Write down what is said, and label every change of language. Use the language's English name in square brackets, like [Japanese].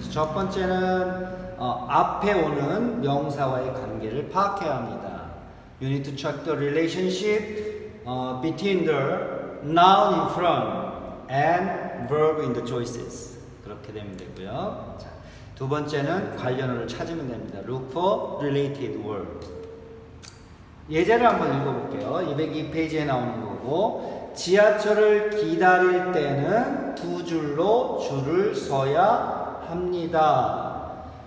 [Korean] 첫 번째는 앞에 오는 명사와의 관계를 파악해야 합니다. [English] You need to check the relationship between the noun in front and verb in the choices. [Korean] 그렇게 되면 되고요. 자, 두 번째는 관련어를 찾으면 됩니다. [English] Look for related word. [Korean] 예제를 한번 읽어볼게요. 202페이지에 나오는 거고 지하철을 기다릴 때는 두 줄로 줄을 서야 합니다.